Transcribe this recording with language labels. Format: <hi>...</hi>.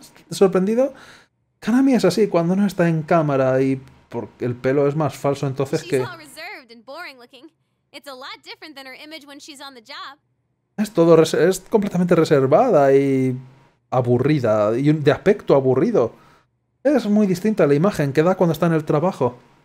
<es>¿Sorprendido? Kanami es así cuando no está en cámara y porque el pelo es más falso entonces que...</es> <en>She's all reserved and boring looking. It's a lot different than her image when she's on the job.</en> <es>Es completamente reservada y aburrida, y de aspecto aburrido. Es muy distinta a la imagen que da cuando está en el trabajo.</es>